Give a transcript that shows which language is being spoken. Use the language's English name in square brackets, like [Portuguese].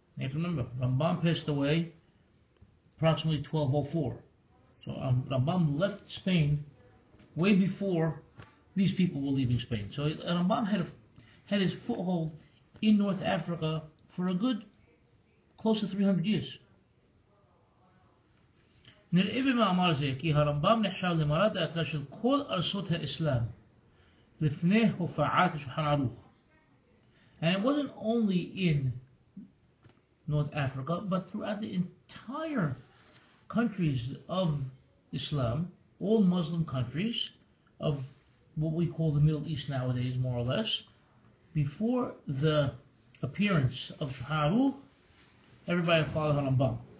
[English] You have to remember, Rambam passed away approximately 1204. So Rambam left Spain way before these people were leaving Spain. So Rambam had his foothold in North Africa for a good close to 300 years. [Hebrew] נראה במאמר זה כי הרמב״ם נחשב למרת האתרה של כל ארצות האסלאם לפני הופעת השולחן ערוך. [English] And it wasn't only in North Africa, but throughout the entire countries of Islam, all Muslim countries of what we call the Middle East nowadays, more or less, before the appearance of Shulchan Aruch, everybody followed Harambam.